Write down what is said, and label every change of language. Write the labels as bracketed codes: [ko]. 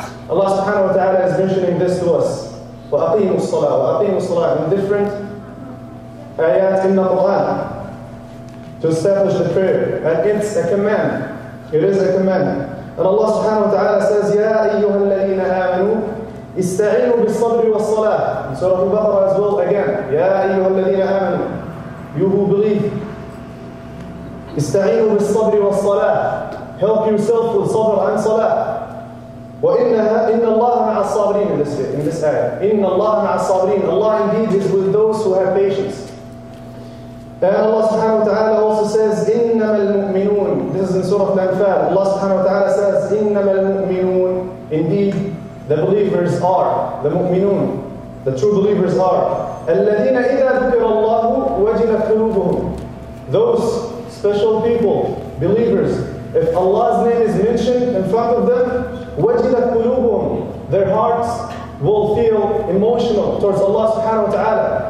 [en] Allah subhanahu wa ta'ala is mentioning this to us. [ar] وَأَقِيمُوا الصَّلَاةَ وَأَقِيمُوا الصَّلَاةَ [en] In different ayat in the Quran. To establish the prayer. And it's a command. It is a command. And Allah subhanahu wa ta'ala says, [ar] يَا أَيُّهَا الَّذِينَ آمَنُوا إِسْتَعِينُوا بِالصَّبْرِ وَالصَّلَاةِ [en] In Surah Al-Baqarah as well again. [ar] يَا أَيُّهَا الَّذِينَ آمَنُوا [en] You who believe. [ar] إِسْتَعِينُوا بِالصَّبْرِ وَالصَّلَاةِ [en] Help yourself with sabr and salah. [ar] وَإِنَّهَا إِنَّ اللَّهَ مَعَ الصَّابِرِينَ [en] In this ayah. [ar] إِنَّ اللَّهَ مَعَ الصَّابِرِينَ [en] Allah indeed is with those who have patience. And Allah subhanahu wa ta'ala also says, [ar] إِنَّمَا الْمُؤْمِنُونَ [en] This is in Surah Al-Anfal. Allah subhanahu wa ta'ala says, [ar] إِنَّمَا الْمُؤْمِنُونَ [en] Indeed, the believers are, the mu'minun, the true believers are, [ar] الَّذِينَ إِذَا ذُكِرَ اللَّهُ وَجِلَتْ قُلُوبُهُمْ [en] Those special people, believers, if Allah's name is mentioned in front of them, [ar] وَجِلَتْ قُلُوبُهُمْ [en] Their hearts will feel emotional towards Allah subhanahu wa ta'ala.